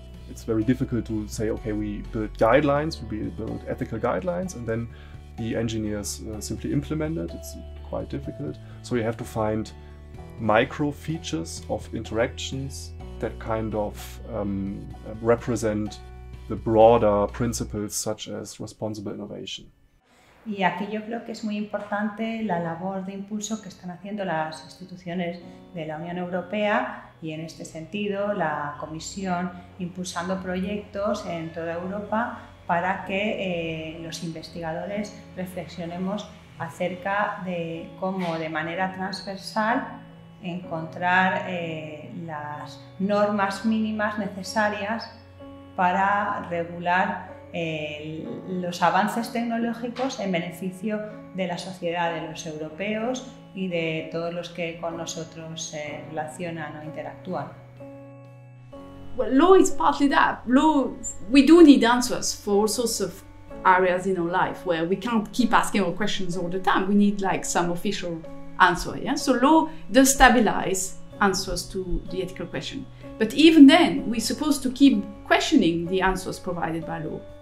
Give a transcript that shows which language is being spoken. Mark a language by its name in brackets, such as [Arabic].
[English] It's very difficult to say, okay, we build guidelines, we build ethical guidelines, and then the engineers simply implement it. It's quite difficult. So you have to find micro features of interactions that kind of represent the broader principles such as responsible innovation. [Spanish] Y aquí yo creo que es muy importante la labor de impulso que están haciendo las instituciones de la Unión Europea y en este sentido la Comisión impulsando proyectos en toda Europa para que los investigadores reflexionemos acerca de cómo de manera transversal encontrar las normas mínimas necesarias para regular los avances tecnológicos en beneficio de la sociedad, de los europeos y de todos los que con nosotros se relacionan o interactúan. [English] Well, law is partly that. Law, we do need answers for all sorts of areas in our life where we can't keep asking our questions all the time. We need like some official answer, yeah? So law does stabilize answers to the ethical question. But even then, we're supposed to keep questioning the answers provided by law.